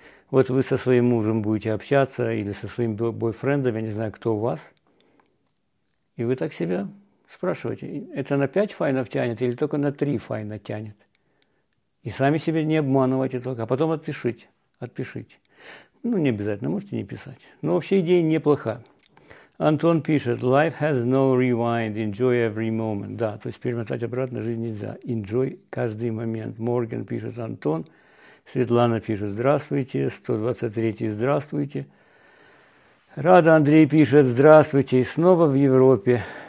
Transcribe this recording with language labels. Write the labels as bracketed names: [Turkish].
[Russian] Вот вы со своим мужем будете общаться или со своим бойфрендом, я не знаю, кто у вас. И вы так себя спрашиваете: это на 5 файнов тянет или только на 3 файна тянет? И сами себя не обманывайте только, а потом отпишите. Отпишите. Ну, не обязательно, можете не писать. Но вообще идея неплоха. Антон пишет: [English] Life has no rewind, enjoy every moment. [Russian] Да, то есть перемотать обратно жизнь нельзя. Enjoy каждый момент. Морган пишет: Антон. Светлана пишет: здравствуйте. 123-й, здравствуйте. Рада Андрей пишет: здравствуйте. И снова в Европе.